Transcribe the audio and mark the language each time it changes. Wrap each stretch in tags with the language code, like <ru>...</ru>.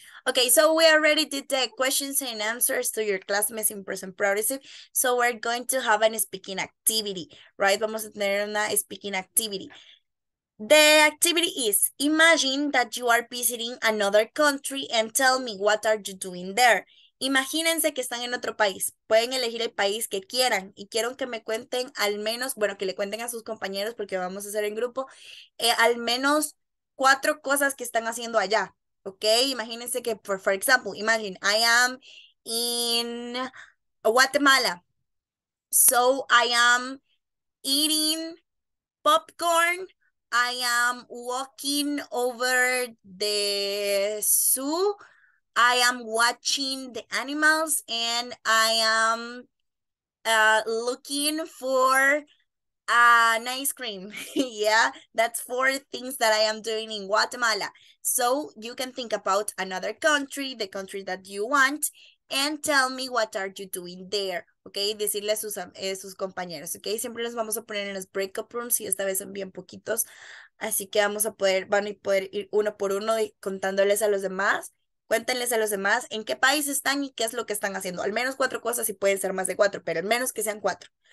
<en>Okay, so we already did the questions and answers to your classmates in present progressive. So we're going to have a speaking activity, right?</en> <es>Vamos a tener una</es> <en>speaking activity. The activity is, imagine that you are visiting another country and tell me what are you doing there.</en> <es>Imagínense que están en otro país. Pueden elegir el país que quieran y quiero que me cuenten al menos, bueno, que le cuenten a sus compañeros porque vamos a hacer en grupo, al menos cuatro cosas que están haciendo allá, ¿ok? Imagínense que,</es> <en>for example, imagine I am in Guatemala. So I am eating popcorn. I am walking over the zoo. I am watching the animals and I am looking for an ice cream. Yeah, that's four things that I am doing in Guatemala. So you can think about another country, the country that you want, and tell me what are you doing there.</en> <es>Ok, decirle a sus compañeros. Ok, siempre los vamos a poner en los breakout rooms y esta vez son bien poquitos. Así que vamos a poder, van a poder ir uno por uno y contándoles a los demás. Cuéntenles a los demás en qué país están y qué es lo que están haciendo. Al menos cuatro cosas y pueden ser más de cuatro, pero al menos que sean cuatro.</es>